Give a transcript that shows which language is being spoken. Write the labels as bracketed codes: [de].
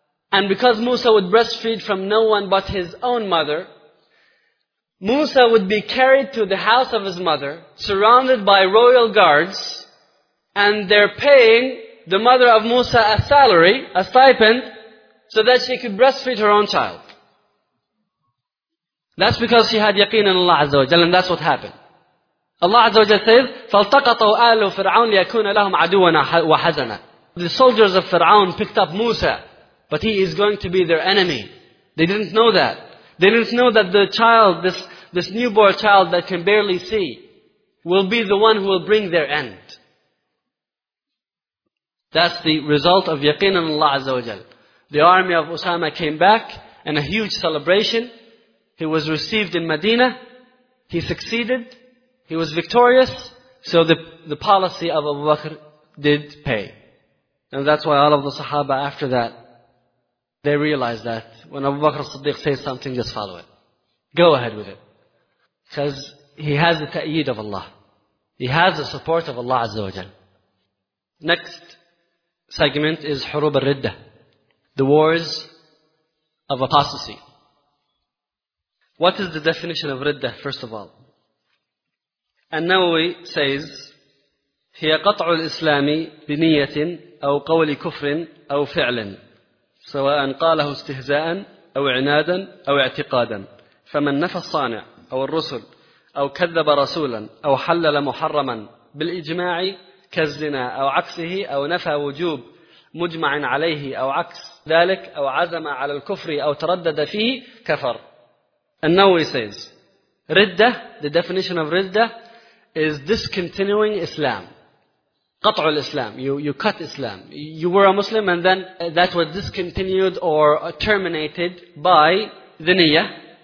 [en] And because Musa would breastfeed from no one but his own mother, Musa would be carried to the house of his mother, surrounded by royal guards, and they're paying the mother of Musa a salary, a stipend, so that she could breastfeed her own child. That's because she had yaqeen in Allah Azza wa Jalla, and that's what happened. Allah Azza wa Jalla says, [ar] فَالْتَقَطَوْا آلُ فِرْعَوْنَ لِيَكُونَ لَهُمْ عَدُوًا وَحَزَنًا. [en] The soldiers of Fir'aun picked up Musa, but he is going to be their enemy. They didn't know that. They didn't know that the child, this newborn child that can barely see, will be the one who will bring their end. That's the result of yaqeen in Allah Azza wa Jalla. The army of Usama came back in a huge celebration. He was received in Medina. He succeeded. He was victorious. So the policy of Abu Bakr did pay. And that's why all of the Sahaba after that, they realize that when Abu Bakr as-Siddiq says something, just follow it. Go ahead with it. Because he has the ta'eed of Allah. He has the support of Allah Azza wa Jal. Next segment is Hurub al-Ridda. The wars of apostasy. What is the definition of Ridda, first of all? An-Nawawi says, [ar] هِيَ قَطْعُ الْإِسْلَامِ بِنِيَّةٍ أَوْ قَوْلِ كُفْرٍ أَوْ فِعْلٍ سواء قاله استهزاء أو عنادا أو اعتقادا فمن نفى الصانع أو الرسل أو كذب رسولا أو حلل محرما بالإجماع كالزنا أو عكسه أو نفى وجوب مجمع عليه أو عكس ذلك أو عزم على الكفر أو تردد فيه كفر. [en] And now he says, Ridda, the definition of Ridda is discontinuing Islam. [ar] قطعوا الإسلام. [en] You cut Islam. You were a Muslim and then that was discontinued or terminated by the niyyah.